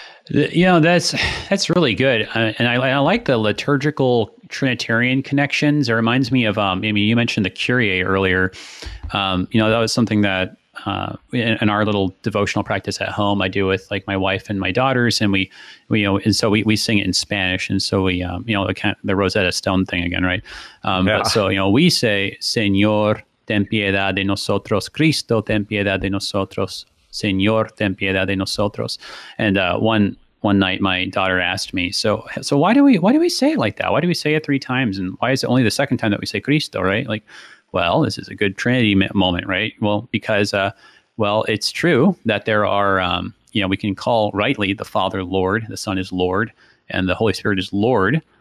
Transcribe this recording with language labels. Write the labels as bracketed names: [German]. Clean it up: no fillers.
[English] You know, that's really good. And I like the liturgical Trinitarian connections. It reminds me of, you mentioned the Kyrie earlier. That was something that in our little devotional practice at home, I do with like my wife and my daughters, and we sing it in Spanish. And so we, the Rosetta Stone thing again, right? But so, you know, we say, [Spanish] Señor, ten piedad de nosotros, Cristo, ten piedad de nosotros, Señor, ten piedad de nosotros. [English] And one night my daughter asked me, so why do we say it like that? Why do we say it three times? And why is it only the second time that we say Cristo, right? Like, well, this is a good Trinity moment, right? Well, because, it's true that there are, we can call rightly the Father Lord, the Son is Lord, and the Holy Spirit is Lord.